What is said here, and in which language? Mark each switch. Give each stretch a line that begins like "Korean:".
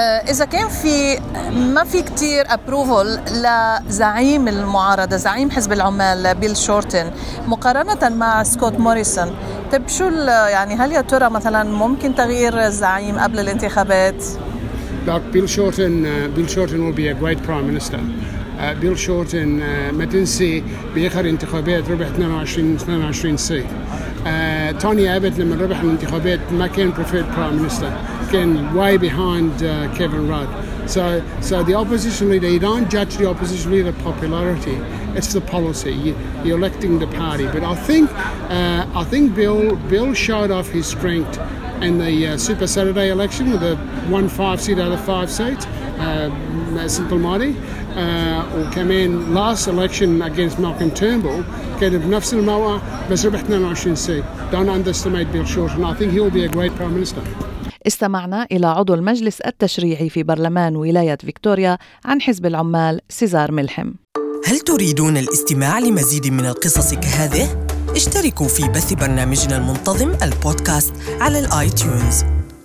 Arabic: إذا كان في ما في كتير approval لزعيم المعارضة زعيم حزب العمال بيل شورتن مقارنة مع سكوت موريسون، طيب شو يعني هل يا ترى مثلا ممكن تغيير الزعيم قبل الانتخابات؟
English: Bill Shorten will be a great prime minister.
Arabic: بيل شورتن ما تنسي بآخر انتخابات ربح 22 سيت. توني أبت لما ربح الانتخابات ما كان
English: preferred prime minister،
Arabic: كان
English: way behind Kevin Rudd. So the opposition leader, you don't judge the opposition leader popularity, it's the policy, you're electing the party. But I think Bill showed off his strength in the Super Saturday election with the 1-5 seat out of 5 seats, Simple Mighty, or came in last election against Malcolm Turnbull, gave nafs al-mawa, but
Arabic: ربح
English: 22 seat. Don't underestimate Bill Shorten, I think he'll be a great Prime Minister.
Arabic: استمعنا إلى عضو المجلس التشريعي في برلمان ولاية فيكتوريا عن حزب العمال سيزار ملحم. هل تريدون الاستماع لمزيد من القصص كهذه؟ اشتركوا في بث برنامجنا المنتظم البودكاست على الآيتيونز.